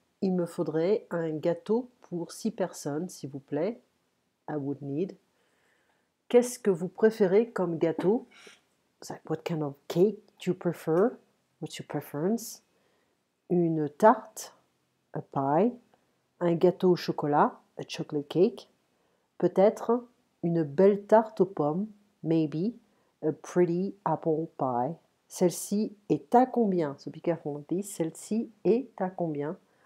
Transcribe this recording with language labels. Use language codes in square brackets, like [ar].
[fr] Il me faudrait un gâteau pour 6 personnes, s'il vous plaît. [en] I would need. [fr] Qu'est-ce que vous préférez comme gâteau? [en] Like, what kind of cake do you prefer? What's your preference? [fr] Une tarte, [en] a pie, [fr] un gâteau au chocolat, [en] a chocolate cake, [fr] peut-être une belle tarte aux pommes, [en] maybe a pretty apple pie. [fr] Celle-ci est à combien? [en] So be careful with this. [fr] Celle-ci est à combien?